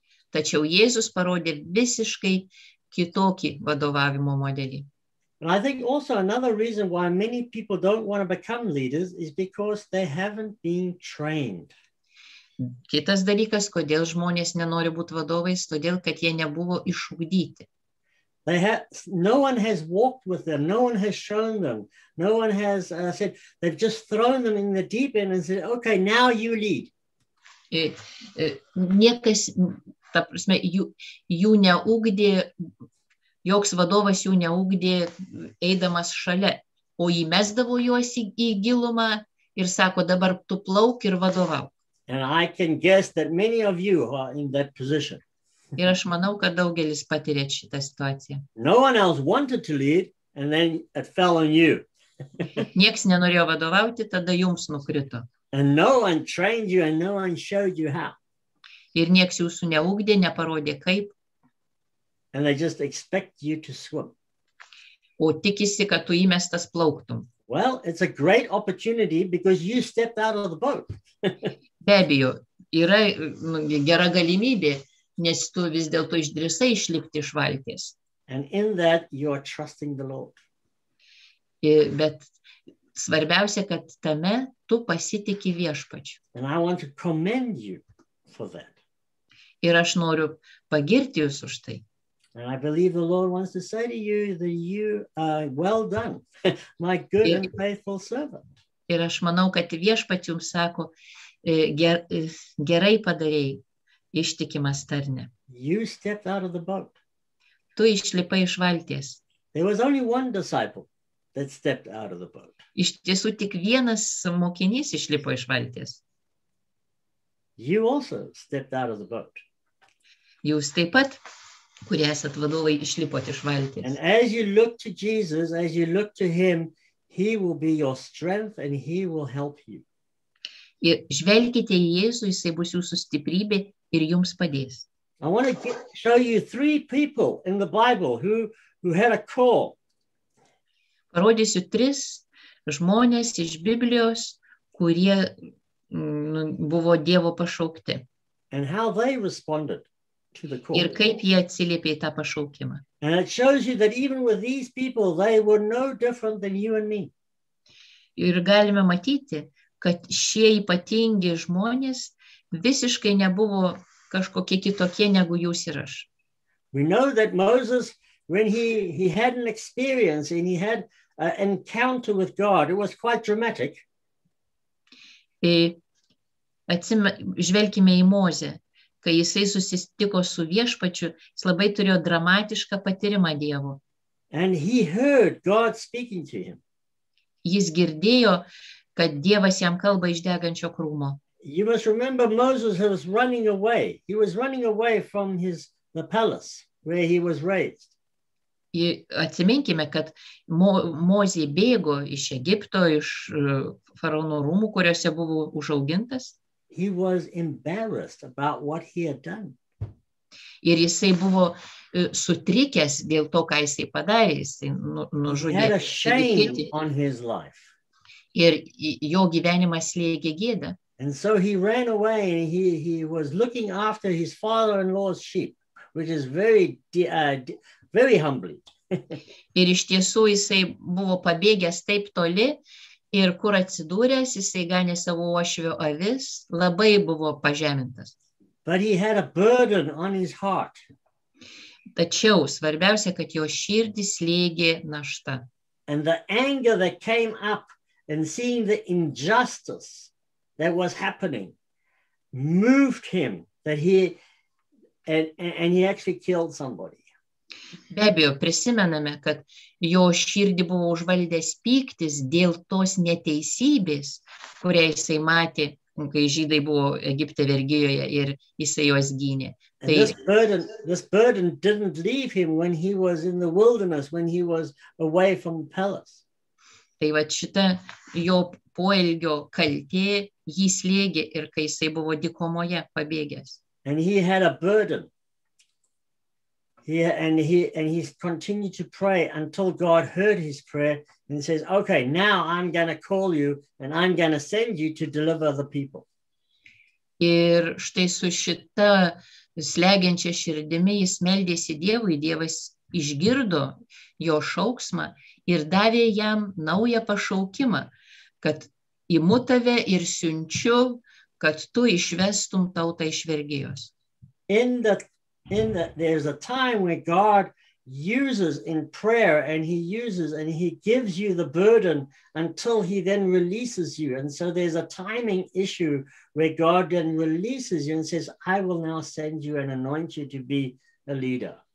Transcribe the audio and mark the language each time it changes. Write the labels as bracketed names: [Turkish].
[Lithuanian] Tačiau Jėzus parodė visiškai kitokį vadovavimo modelį. [English] And I think also another reason why many people don't want to become leaders is because they haven't been trained. [Lithuanian] Kitas dalykas, kodėl žmonės nenori būti vadovais, todėl kad jie nebuvo išugdyti. [English] No one has walked with them, no one has shown them, no one has said, they've just thrown them in the deep end and said, okay, now you lead. [Lithuanian] Niekas, ta prasme, jų neugdė, joks vadovas jų neugdė eidamas šalia, o įmesdavo juos į gilumą ir sako, dabar tu plauk ir vadovauk. [English] And I can guess that many of you are in that position. [Lithuanian] Ir aš manau, kad daugelis patiria šitą situaciją. [English] No one else wanted to lead, and then it fell on you. [Lithuanian] Nieks nenorėjo vadovauti, tada jums nukrito. [English] And no one trained you, and no one showed you how. [Lithuanian] Ir nieks jūsų neugdė, neparodė kaip. [English] And they just expect you to swim. [Lithuanian] O tikisi, kad tu įmestas plauktum. [English] Well, it's a great opportunity, because you stepped out of the boat. [Lithuanian] Be abejo, yra gera galimybė, nes tu vis dėlto išdrįsai išlipti iš valties. [English] And in that you are trusting the Lord. [Lithuanian] Bet svarbiausia, kad tame tu pasitiki Viešpačiu. [English] And I want to commend you for that. [Lithuanian] Ir aš noriu pagirti jūs už tai. [English] And I believe the Lord wants to say to you that you are well done, my good and faithful servant. [Lithuanian] Ir aš manau, kad Viešpats jums sako, gerai padarėjai, ištikimas tarne. [English] You stepped out of the boat. [Lithuanian] Tu išlipai iš valties. [English] There was only one disciple that stepped out of the boat. [Lithuanian] Iš tiesų tik vienas mokinys išlipo iš valties. [English] You also stepped out of the boat. [Lithuanian] Jūs taip pat, kurie esat vadovai, išlipot iš valties. [English] And as you look to Jesus, as you look to him, he will be your strength and he will help you. [Lithuanian] Ir žvelgite į Jėzų, jisai bus jūsų stiprybė ir jums padės. [English] I want to show you three people in the Bible who had a call. [Lithuanian] Parodysiu tris žmonės iš Biblijos, kurie buvo Dievo pašaukti. [English] And how they responded to the call. [Lithuanian] Ir kaip jie atsiliepė į tą pašaukimą. [English] And it shows you that even with these people, they were no different than you and me. [Lithuanian] Ir galime matyti, kad šie ypatingi žmonės visiškai nebuvo kažkokie kitokie negu jūs ir aš. [English] We know that Moses, when he had an experience and he had an encounter with God, it was quite dramatic. [Lithuanian] Žvelkime į Mozę, kai jisai susitiko su Viešpačiu, jis labai turėjo dramatišką patyrimą Dievo. [English] And he heard God speaking to him. [Lithuanian] Jis girdėjo, kad Dievas jam kalba iš degančio krūmo. [English] You must remember Moses was running away. He was running away from the palace where he was raised. [Lithuanian] Atsiminkime, kad Mozė bėgo iš Egipto, iš faraono rūmų, kuriuose buvo užaugintas. [English] He was embarrassed about what he had done. [Lithuanian] Ir jisai buvo sutrikęs dėl to, ką jisai padarė, jisai nužudė. [English] He had a shame on his life. [Lithuanian] Ir jo gyvenimas slėgė gėdą. [English] And so he ran away and he was looking after his father-in-law's sheep, which is very very humbly. [Lithuanian] Ir iš tiesų jisai buvo pabėgęs taip toli ir kur atsidūręs, jisai ganė savo uošvio avis, labai buvo pažemintas. [English] But he had a burden on his heart. [Lithuanian] Tačiau svarbiausia, kad jo širdį slėgė našta. [English] And the anger that came up and seeing the injustice that was happening moved him that he and he actually killed somebody. [Lithuanian] Be abejo, prisimename, kad jo širdį buvo užvaldęs pyktis dėl tos neteisybės, kurią jisai matė, kai žydai buvo Egipte vergijoje ir jisai juos gynė. Tai... [English] This burden didn't leave him when he was in the wilderness, when he was away from the palace. [Lithuanian] Tai va šita jo poelgio kaltė jį slėgė ir kai jisai buvo dikomoje pabėgęs. [English] And he had a burden. He continued to pray until God heard his prayer and says, okay, now I'm going to call you and I'm going to send you to deliver the people. [Lithuanian] Ir štai su šita slegiančia širdimi jis meldėsi Dievui, Dievas išgirdo jo šauksmą ir davė jam naują pašaukimą, kad imu tave ir siunčiu, kad tu išvestum tautą iš vergijos. [English] In that there's a time where God uses in prayer and he uses and he gives you the burden until he then releases you. And so there's a timing issue where God then releases you and says, I will now send you and anoint you to be a leader.